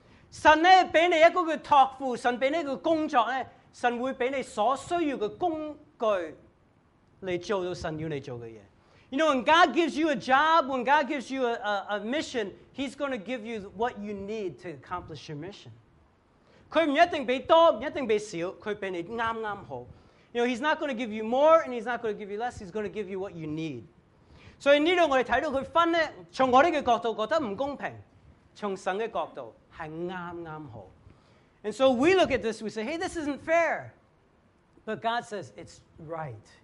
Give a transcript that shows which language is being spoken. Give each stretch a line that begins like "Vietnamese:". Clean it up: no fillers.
Cantonese: 神呢，俾你一个嘅托付，神俾你一个工作咧，神会俾你所需要嘅工具嚟做到神要你做嘅嘢。
English: You know, when God gives you a job, when God gives you a mission, He's going to give you what you need to accomplish your mission.
Cantonese: 佢唔一定俾多，唔一定俾少，佢俾你啱啱好。
English: You know, He's not going to give you more, and He's not going to give you less. He's going to give you what you need.
Cantonese: 所以呢度我哋睇到佢分咧，从我哋嘅角度觉得唔公平，从神嘅角度系啱啱好。
English: And so we look at this, we say, "Hey, this isn't fair," but God says it's right.